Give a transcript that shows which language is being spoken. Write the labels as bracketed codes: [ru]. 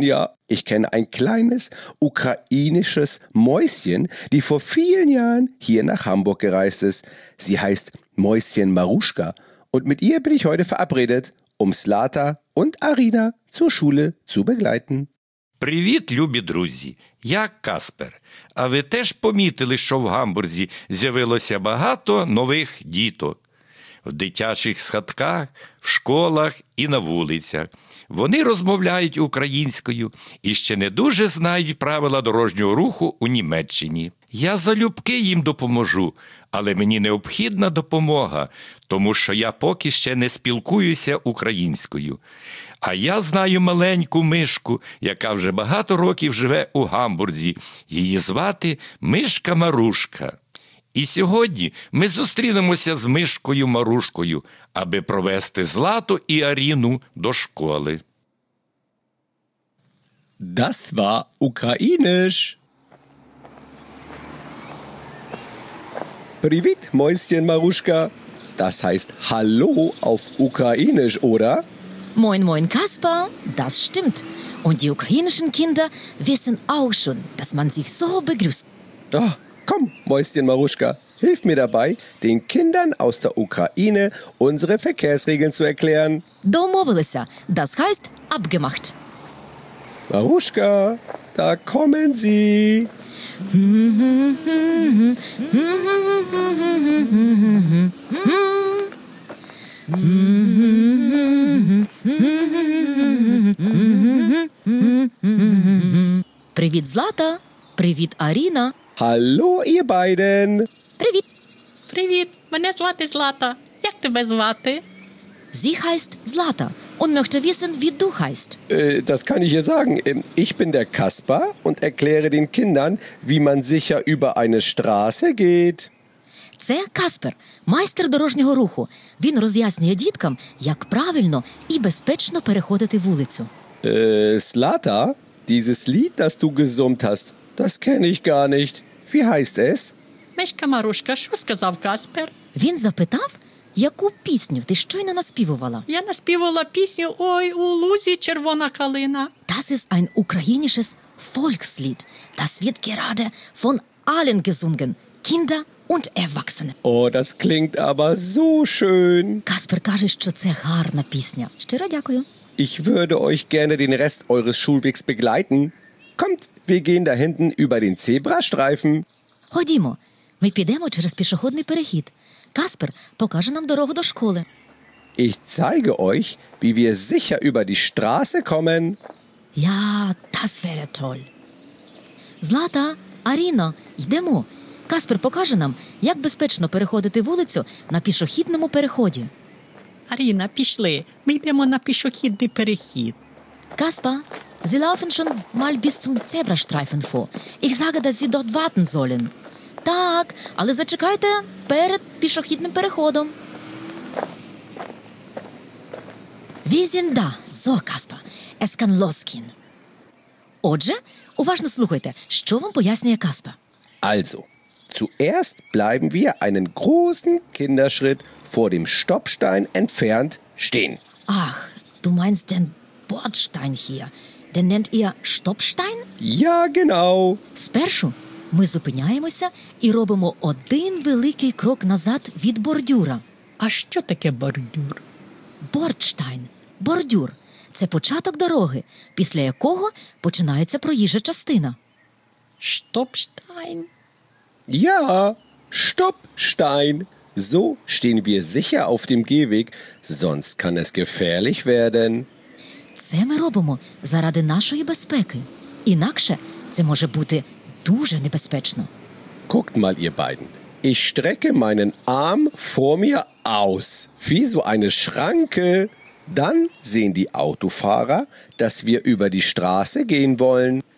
[de] Ja, ich kenne ein kleines ukrainisches Mäuschen, die vor vielen Jahren hier nach Hamburg gereist ist. Sie heißt Mäuschen Maruschka und mit ihr bin ich heute verabredet, um Slata und Arina zur Schule zu begleiten. [uk] Привіт, любі друзі! Я Каспер. А ви теж помітили, що в Гамбурзі з'явилося багато нових діток? В дитячих схатках, в школах і на вулицях. Вони розмовляють українською і ще не дуже знають правила дорожнього руху у Німеччині. Я залюбки їм допоможу, але мені необхідна допомога, тому що я поки ще не спілкуюся українською. А я знаю маленьку мишку, яка вже багато років живе у Гамбурзі. Її звати Мишка Марушка. І сьогодні ми зустрінемося з Мишкою Марушкою, аби провести Злату і Аріну до школи. [de] Das war ukrainisch. [uk] Привіт, Мойсьєн Марушка. [de] Das heißt hallo auf ukrainisch, oder? Moin, moin, Kasper. Das stimmt. Und die ukrainischen Kinder wissen auch schon, dass man sich so begrüßt. Oh. Komm, Mäuschen Maruschka, hilf mir dabei, den Kindern aus der Ukraine unsere Verkehrsregeln zu erklären. [uk] Домовилися, [de] das heißt abgemacht. Maruschka, da kommen sie. [uk] Привіт, Злата. Привіт, Аріна. [de] Hallo, ihr beiden! [uk] Привіт! Привіт! Мене звати Злата. Як тебе звати? [de] Sie heißt Злата und möchte wissen, wie du heißt. Das kann ich ihr sagen. Ich bin der Kasper und erkläre den Kindern, wie man sicher über eine Straße geht. [uk] Це Каспер, майстер дорожнього руху. Він роз'яснює діткам, як правильно і безпечно переходити вулицю. [de] Злата, dieses Lied, das du gesummt hast, das kenne ich gar nicht. Wie heißt es? [uk] Мишка Марушка, що сказав Каспер? Він запитав, яку пісню ти щойно наспівувала? Я наспівувала пісню «Ой, у лузі червона калина». [de] Das ist ein ukrainisches Volkslied. Das wird gerade von allen gesungen. Kinder und Erwachsene. Oh, das klingt aber so schön. [uk] Каспер каже, що це гарна пісня. Щиро дякую. [de] Ich würde euch gerne den Rest eures Schulwegs begleiten. Kommt, wir gehen da hinten über den Zebrastreifen. [uk] Ходімо. Ми підемо через пішохідний перехід. Каспер покаже нам дорогу до школи. [de] Ich zeige euch, wie wir sicher über die Straße kommen. Ja, das wäre toll. Злата, Аріна, [uk] йдемо. Каспер покаже нам, як безпечно переходити вулицю на пішохідному переході. Аріна, пішли. Ми йдемо на пішохідний перехід. [de] Каспер, Sie laufen schon mal bis zum Zebrastreifen vor. Ich sage, dass Sie dort warten sollen. [uk] Так, але зачекайте перед пішохідним переходом. [de] Wir sind da. So, Kasper, es kann losgehen. [uk] Отже, уважно слухайте, що вам пояснює Kasper. [de] Also, zuerst bleiben wir einen großen Kinderschritt vor dem Stoppstein entfernt stehen. Ach, du meinst den Bordstein hier. Den nennt ihr Stoppstein? Ja, genau. [uk] Спершу ми зупиняємося і робимо один великий крок назад від бордюра. А що таке бордюр? Бордштайн. Бордюр. Це початок дороги, після якого починається проїжджа частина. Штопштайн. [de] Ja, Stoppstein. So stehen wir sicher auf dem Gehweg, sonst kann es gefährlich werden. [uk] Це ми робимо заради нашої безпеки. Інакше це може бути дуже небезпечно. [de] Guckt mal, ihr beiden. Ich strecke meinen Arm vor mir aus, wie so eine Schranke. Dann sehen die Autofahrer, dass wir über die Straße gehen wollen.